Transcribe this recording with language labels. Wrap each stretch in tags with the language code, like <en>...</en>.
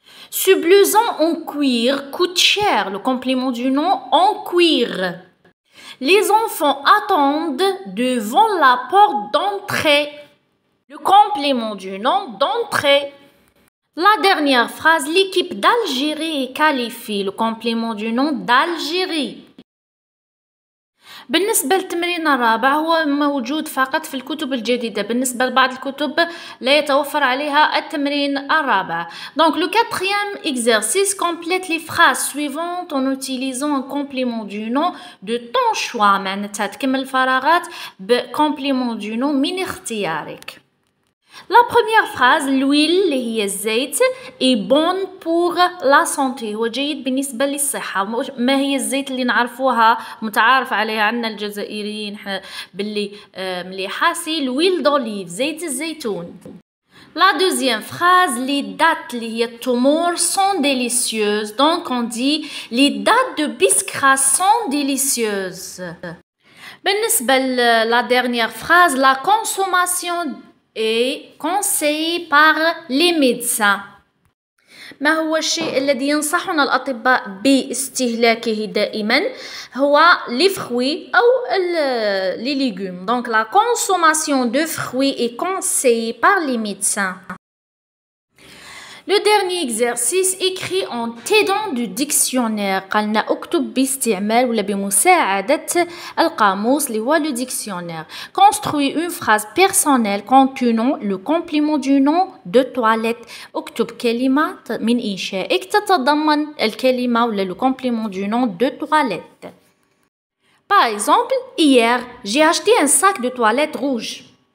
<fr>Ce blouson en cuir coûte cher, le complément du nom en cuir. Les enfants attendent devant la porte d'entrée, le complément du nom d'entrée. La dernière phrase, l'équipe d'Algérie est qualifiée, le complément du nom d'Algérie.</fr> <ar>بالنسبة للتمرين الرابع هو موجود فقط في الكتب الجديدة، بالنسبة لبعض الكتب لا يتوفر عليها التمرين الرابع.</ar> <fr>Donc le quatrième exercice complète les phrases suivantes en utilisant un complément du nom de ton choix.</fr> <ar>معناتها تكمل الفراغات بكمبليمون دو نو من اختيارك.</ar> <fr>La première phrase, l'huile,</fr> <ar>اللي هي الزيت,</ar> <fr>est bonne pour la santé.</fr> <ar>هو جيد بالنسبة للصحة. ما هي الزيت اللي نعرفوها متعارف عليها عنا الجزائريين باللي مليحة؟</ar> <fr>سي الويل دوليف,</fr> <ar>زيت الزيتون.</ar> <fr>La deuxième phrase, les dattes,</fr> <ar>اللي هي التمور,</ar> <fr>sont délicieuses. Donc on dit, les dattes de Biskra sont délicieuses.</fr> <ar>بالنسبة</ar> <fr>la dernière phrase, la consommation et conseillé par les médecins.</fr> <ar>ما هو الشيء الذي ينصحنا الأطباء باستهلاكه دائما؟</ar> <fr>هو لي فروي أو لي ليغوم. Donc la consommation de fruits est conseillée par les médecins. Le dernier exercice écrit en t'aidant du dictionnaire.</fr> <ar>قلنا اكتب باستعمال ولا بمساعدة القاموس اللي هو</ar> <fr>لو ديكسيونير. Construis une phrase personnelle contenant le complément du nom de toilette.</fr> <ar>اكتب كلمة من إنشائك تتضمن الكلمة ولا لو</ar> <fr>complément du nom de toilette. Par exemple, hier, j'ai acheté un sac de toilette rouge.</fr>